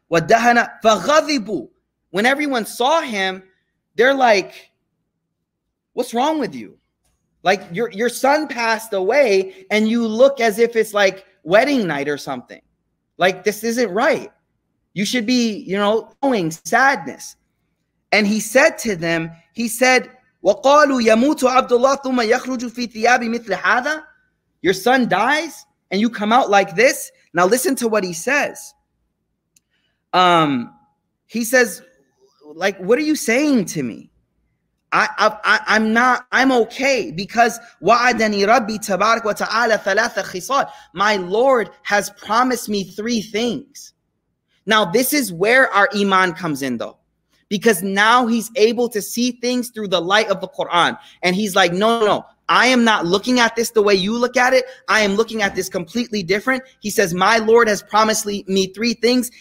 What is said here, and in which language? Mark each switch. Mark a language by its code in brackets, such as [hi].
[ar] Wadahana faghadibu. [en] When everyone saw him, they're like, what's wrong with you? Like your son passed away and you look as if it's like wedding night or something. Like this isn't right. You should be, you know, showing sadness. And he said to them, he said, [ar] وَقَالُوا يَمُوتُ عَبْدُ اللَّهِ ثُمَّ يَخْرُجُ فِي ثِيَابِ مِثْلِ هَذَا. [en] Your son dies and you come out like this. Now listen to what he says. He says, like, what are you saying to me? I'm okay because [ar] وَعَدَنِي رَبِّي تَبَارَكْ وَتَعَالَى ثَلَاثَ خِصَالٍ. [en] My Lord has promised me three things. Now this is where our iman comes in though. Because now he's able to see things through the light of the Quran. And he's like, no, I am not looking at this the way you look at it. I am looking at this completely different. He says, my Lord has promised me three things.